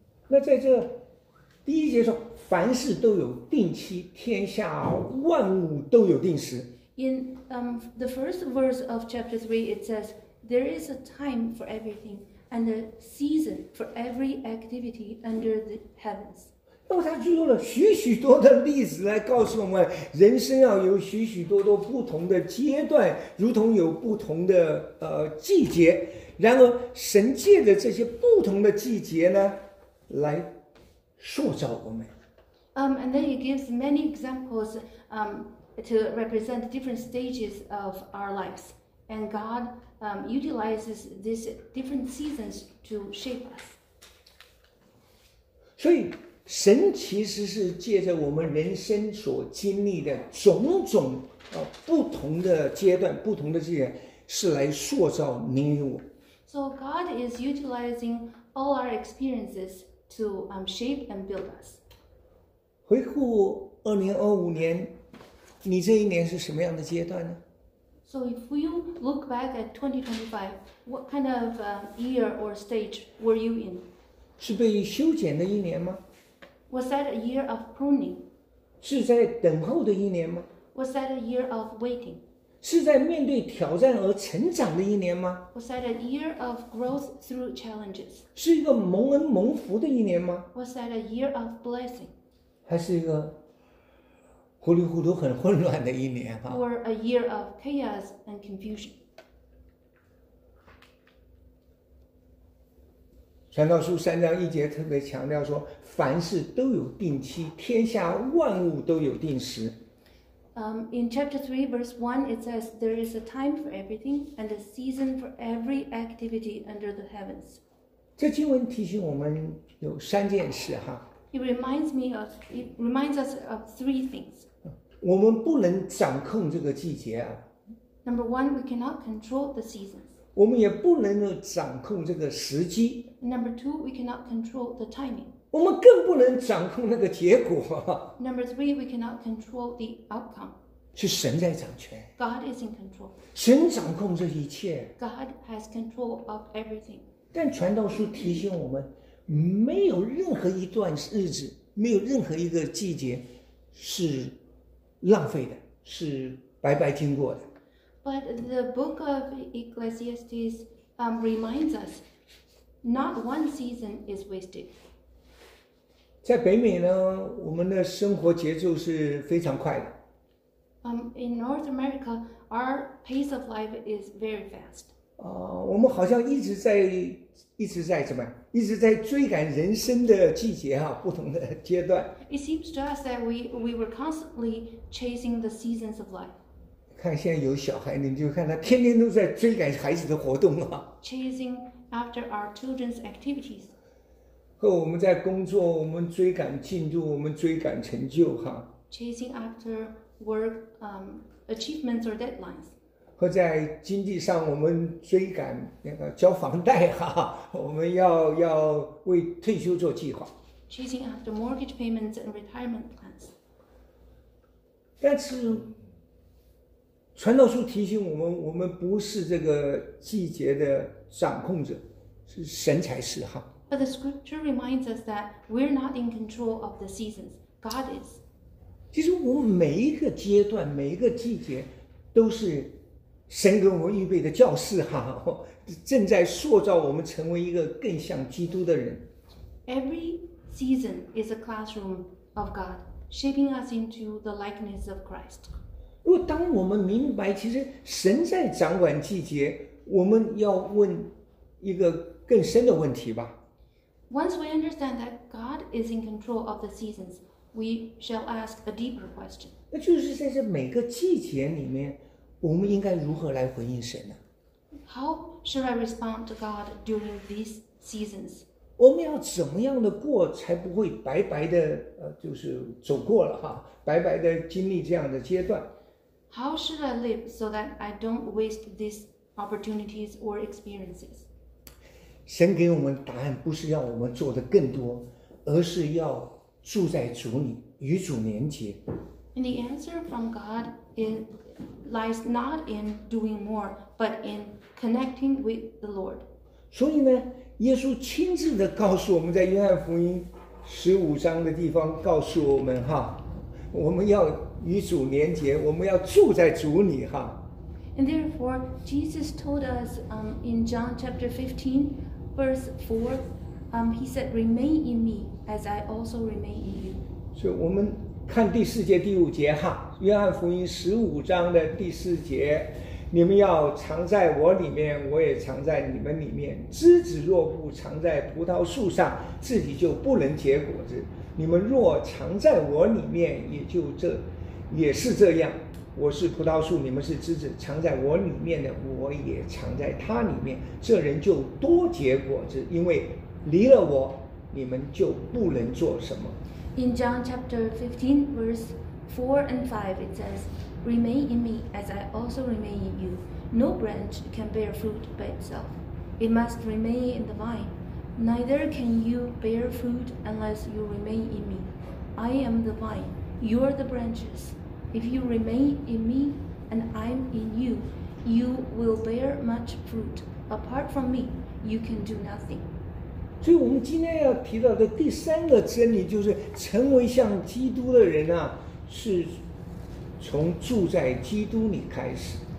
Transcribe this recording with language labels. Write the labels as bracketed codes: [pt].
[zh] 那在这第一节说，凡事都有定期，天下万物都有定时。 [en] In the first verse of chapter 3 it says there is a time for everything and a season for every activity under the heavens. [zh] 那么他就用了许许多的例子来告诉我们，人生要有许许多多不同的阶段，如同有不同的季节。然而，神借着这些不同的季节呢，来塑造我们。 [en] And then he gives many examples, to represent different stages of our lives, and God, utilizes these different seasons to shape us. [zh] 所以。神其实是借着我们人生所经历的种种不同的阶段，不同的季节，是来塑造你我。 [en] So God is utilizing all our experiences to shape and build us. [zh] 回顾2025年，你这一年是什么样的阶段呢？ [en] So if you look back at 2025, what kind of year or stage were you in? [zh] 是被修剪的一年吗？ [en] Was that a year of pruning? [zh] 是在等候的一年吗？ [en] Was that a year of waiting? [zh] 是在面对挑战而成长的一年吗？ [en] Was that a year of growth through challenges? [zh] 是一个蒙恩蒙福的一年吗？ [en] Was that a year of blessing? [zh] 还是一个糊里糊涂很混乱的一年啊？ [en] Or a year of chaos and confusion? [zh] 传道书三章一节特别强调说凡事都有定期，天下万物都有定时。 [en] In chapter 3, verse 1, it says, There is a time for everything and a season for every activity under the heavens. [zh] 这经文提醒我们有三件事哈。 [en] It reminds us of three things. [zh] 我们不能掌控这个季节啊。 [en] Number one, we cannot control the seasons. [zh] 我们也不能掌控这个时机。 [en] Number two, we cannot control the timing. [zh] 我们更不能掌控那个结果。 [en] Number three, we cannot control the outcome. [zh] 是神在掌权。 [en] God is in control. [zh] 神掌控这一切。 [en] God has control of everything. [zh] 但传道书提醒我们，没有任何一段日子，没有任何一个季节是浪费的，是白白经过的。 [en] But the book of Ecclesiastes reminds us, not one season is wasted. [zh] 在北美呢，我们的生活节奏是非常快的。 [en] In North America, our pace of life is very fast. [zh] 我们好像一直在怎么样？一直在追赶人生的季节啊，不同的阶段。 [en] It seems to us that we were constantly chasing the seasons of life. [zh] 看现在有小孩，你就看他天天都在追赶孩子的活动啊。 [en] Chasing after our children's activities. [zh] 和我们在工作，我们追赶进度，我们追赶成就哈。 [en] Chasing after work, achievements or deadlines. [zh] 和在经济上，我们追赶那个交房贷哈，我们要为退休做计划。 [en] Chasing after mortgage payments and retirement plans. [zh] 但是，传道书提醒我们，我们不是这个季节的掌控者，是神才是哈。 [en] But the scripture reminds us that we're not in control of the seasons. God is. [zh] 其实我们每一个阶段每一个季节都是神给我们预备的教室哈，正在塑造我们成为一个更像基督的人。 [en] Every season is a classroom of God shaping us into the likeness of Christ. [zh] 如果当我们明白其实神在掌管季节，我们要问一个更深的问题吧。 [en] Once we understand that God is in control of the seasons,We shall ask a deeper question. [zh] 那就是在这每个季节里面，我们应该如何来回应神呢？ [en] How should I respond to God during these seasons? [zh] 我们要怎么样的过才不会白白的就是走过了哈，白白的经历这样的阶段？ [en] How should I live so that I don't waste these opportunities or experiences? [zh] 神给我们答案不是要我们做的更多，而是要住在主里，与主连结。 [en] And the answer from God is lies not in doing more, but in connecting with the Lord. [zh] 所以呢，耶稣亲自的告诉我们在约翰福音十五章的地方告诉我们哈，我们要与主连结，我们要住在主里哈。 [en] And therefore, Jesus told us, in John chapter 15, verse 4. He said, remain in me, as I also remain in you. [zh] 所以我们看第四节第五节哈，约翰福音十五章的第四节，你们要藏在我里面，我也藏在你们里面。枝子若不藏在葡萄树上，自己就不能结果子。你们若藏在我里面，也是这样。我是葡萄树，你们是枝子，藏在我里面的，我也藏在他里面。这人就多结果子，因为离了我，你们就不能做什么。 [en] In John chapter 15, verse 4 and 5, it says, Remain in me, as I also remain in you. No branch can bear fruit by itself. It must remain in the vine. Neither can you bear fruit unless you remain in me. I am the vine, you are the branches. If you remain in me, and I am in you, you will bear much fruit. Apart from me, you can do nothing. [zh] 所以我们今天要提到的第三个真理就是成为像基督的人啊，是从住在基督里开始。